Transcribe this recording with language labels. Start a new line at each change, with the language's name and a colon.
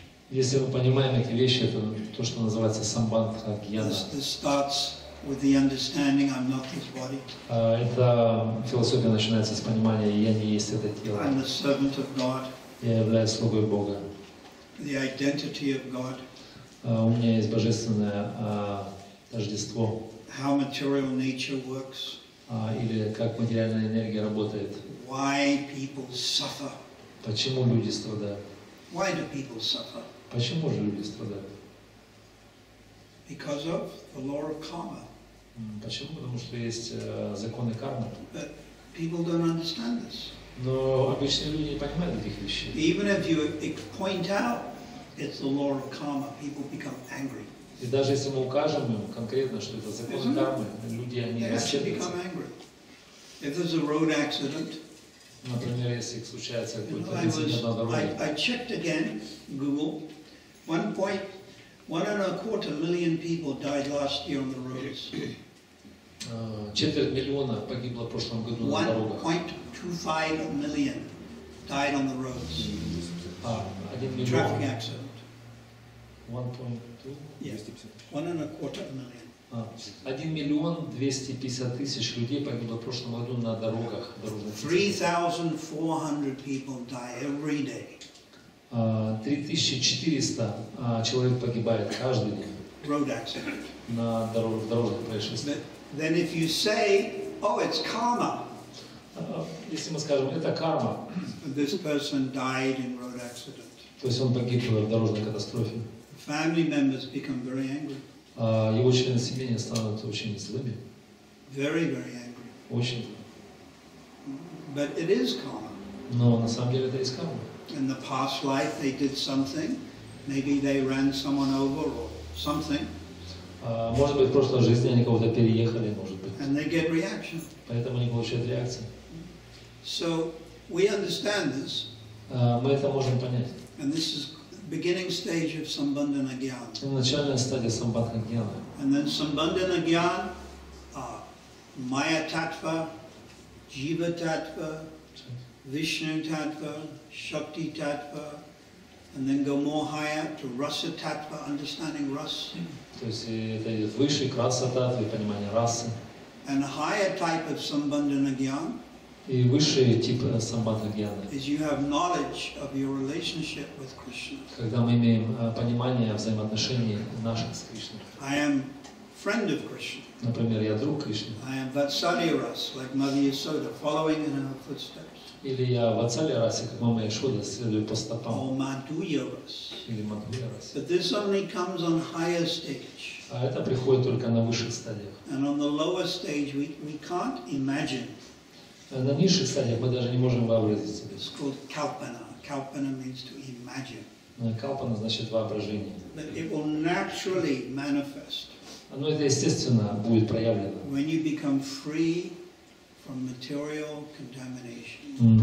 Russian: Если мы понимаем эти вещи, это то, что называется самбандха гьяна.
English: This starts with the understanding I'm not this body.
Russian: Эта философия начинается с понимания я не есть это тело.
English: I'm the servant of God.
Russian: Я являюсь слугой Бога.
English: The identity of God.
Russian: У меня есть божественное тождество.
English: How material nature works.
Russian: Или как материальная энергия работает.
English: Why people suffer.
Russian: Почему люди страдают.
English: Why do people suffer?
Russian: Почему же люди страдают?
English: Because of the law of karma.
Russian: Почему? Потому что есть законы кармы.
English: But people don't understand this.
Russian: Но обычные люди не понимают этих вещей.
English: Even if you point out, it's the law of karma, people become angry.
Russian: И даже если мы укажем им конкретно, что это закон кармы, люди они
English: become angry. If there's a road accident,
Russian: Например, если случается какой-то инцидент на дороге.
English: I checked again Google. 1.25 million people died last year on the roads.
Russian: Четверть миллиона погибло в прошлом году на дорогах.
English: 1.25 million died on the roads. Traffic accident.
Russian: 1,250,000 людей погибло в прошлом году на дорогах.
English: 3,400 people die every day.
Russian: 3,400 человек погибает каждый день.
English: Road accident.
Russian: На дорожных происшествиях.
English: Then if you say, oh, it's karma.
Russian: Если мы скажем, это карма.
English: This person died in road accident.
Russian: То есть он погиб в дорожной катастрофе.
English: Family members become very angry.
Russian: Его члены семьи становятся очень злыми.
English: Very, very angry.
Russian: Очень.
English: But it is karma.
Russian: Но на самом деле это есть карма.
English: In the past life they did something, maybe they ran someone over or something.
Russian: Может быть, в прошлой жизни они кого-то переехали, может быть.
English: And they get reaction.
Russian: Поэтому они получают реакцию.
English: So we understand this.
Russian: Мы это можем понять.
English: And this is beginning stage of Sambandhana Gyan.
Russian: Начальная стадия Sambandhana Gyan.
English: And then Sambandhana Gyan, Maya Tattva, Jiva Tattva, Vishnu Tattva, Shakti Tattva, and then go more higher to Rasa Tattva, understanding Rasa.
Russian: То есть это идет выше, к Раса Таттве, понимание Расы.
English: And a higher type of Sambandhana Gyan.
Russian: И высший тип самбандхагьяны.
English: Is you have knowledge of your relationship with Krishna.
Russian: Когда мы имеем понимание взаимоотношений наших с Кришной.
English: I am friend of Krishna.
Russian: Например, я друг Кришны.
English: I am Vatsalya Rasa, like Mother Yasoda, following in her footsteps.
Russian: Или я Vatsalya Rasa, как Мама Яшода, следую по стопам.
English: Or Madhuya Rasa.
Russian: Или Madhuya Rasa.
English: But this only comes on higher stage.
Russian: А это приходит только на высших стадиях.
English: And on the lower stage we can't imagine.
Russian: На низших стадиях мы даже не можем вообразить себе.
English: It's called kalpana. Kalpana means to imagine.
Russian: Kalpana значит воображение.
English: But it will naturally manifest.
Russian: Оно это естественно будет проявлено.
English: When you become free from material contamination.